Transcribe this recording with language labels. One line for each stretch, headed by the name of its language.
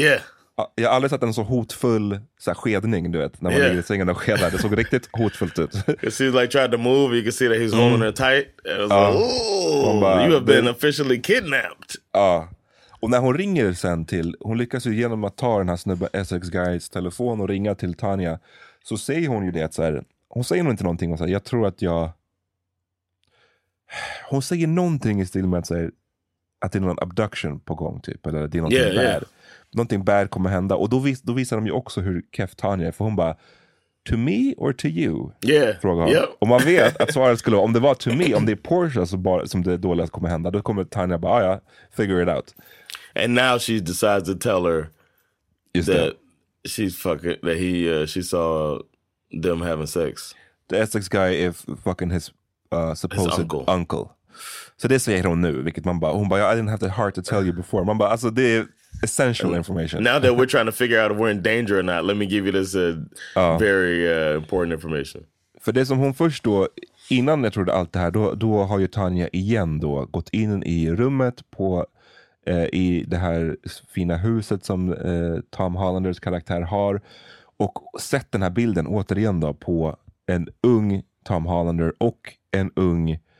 English: Yeah.
Swedish: Jag har aldrig sett en så hotfull såhär, skedning, du vet, när man ligger i sängen och skedar. Det såg riktigt hotfullt ut.
English: It seems like tried to move, you can see that he's holding her tight. It was like, ooh, bara, you have been officially kidnapped.
Swedish: Ja. Och när hon ringer sen till, hon lyckas ju genom att ta den här snubben Essex Guys telefon och ringa till Tanya, så säger hon ju det såhär, hon säger nog inte någonting, såhär, jag tror att jag... Hon säger någonting i stil med att säga att det är någon abduction på gång typ, eller att det är någonting bad. Yeah. Någonting bad kommer hända. Och då visar de ju också hur Kef Tanya är. För hon bara,
English: to me or to you? Yeah.
Swedish: Frågar hon. Yep. Och man vet att svaret skulle vara, om det var
English: to me,
Swedish: om det är Portia som det dåliga kommer hända, då kommer Tanya bara, ja,
English: figure it out. And now she decides to tell her that she's fucking, that he, she saw them having sex. The Essex guy is fucking his supposed uncle.
Swedish: Så det säger hon nu, vilket man bara, hon bara,
English: I didn't have the heart to tell you before.
Swedish: Man bara, alltså det är essential information.
English: Now that we're trying to figure out if we're in danger or not, let me give you this very important information.
Swedish: För det som hon först då, innan jag trodde allt det här, då har ju Tanya igen då gått in i rummet på i det här fina huset som Tom Hollanders karaktär har, och sett den här bilden återigen då på en ung Tom Hollander och en ung